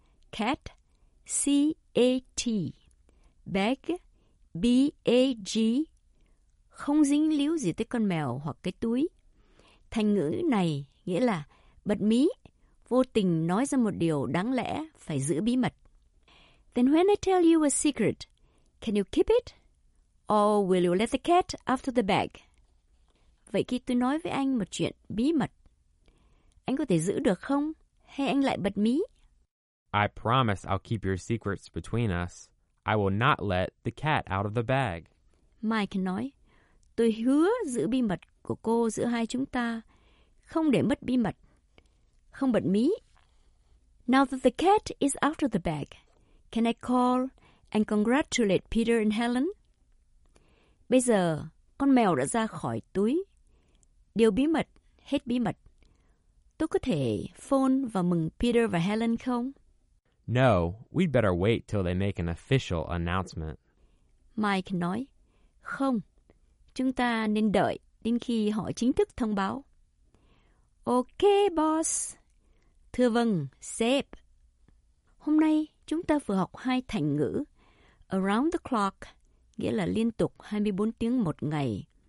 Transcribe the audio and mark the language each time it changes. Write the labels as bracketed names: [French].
[English] Cat, C-A-T. Bag, B-A-G. [Vietnamese] Không dính líu gì tới con mèo hoặc cái túi. Thành ngữ này nghĩa là bật mí, vô tình nói ra một điều đáng lẽ phải giữ bí mật. [English] Then when I tell you a secret, can you keep it? Or will you let the cat out of the bag? [Vietnamese] Vậy khi tôi nói với anh một chuyện bí mật, anh có thể giữ được không? Hay anh lại bật mí? [English] I promise I'll keep your secrets between us. I will not let the cat out of the bag. [Vietnamese] Mike nói, tôi hứa giữ bí mật của cô giữa hai chúng ta, không để mất bí mật, không bật mí. [English] Now that the cat is out of the bag, can I call and congratulate Peter and Helen? [Vietnamese] Bây giờ, con mèo đã ra khỏi túi. Điều bí mật, hết bí mật. Tôi có thể phone và mừng Peter và Helen không? [English] No, we'd better wait till they make an official announcement. [Vietnamese] Mike nói, không, chúng ta nên đợi đến khi họ chính thức thông báo. [English] Okay, boss. [Vietnamese] Thưa vâng, sếp. Hôm nay, chúng ta vừa học hai thành ngữ. [English] Around the clock, [Vietnamese] nghĩa là liên tục 24 tiếng một ngày.